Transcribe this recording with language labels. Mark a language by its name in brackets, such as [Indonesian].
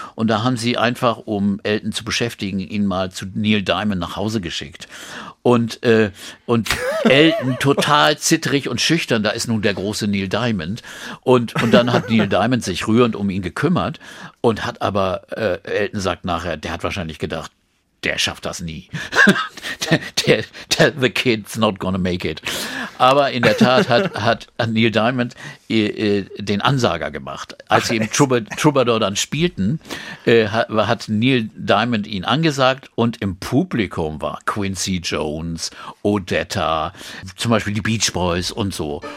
[German] Und da haben sie einfach, um Elton zu beschäftigen, ihn mal zu Neil Diamond nach Hause geschickt. Und Elton total zitterig und schüchtern, da ist nun der große Neil Diamond. Und dann hat Neil Diamond sich rührend um ihn gekümmert und hat aber, Elton sagt nachher, der hat wahrscheinlich gedacht, der schafft das nie. [English] The kid's not gonna make it. [German] Aber in der Tat hat Neil Diamond den Ansager gemacht. Als sie im Troubadour dann spielten, hat Neil Diamond ihn angesagt und im Publikum war Quincy Jones, Odetta, zum Beispiel die Beach Boys und so.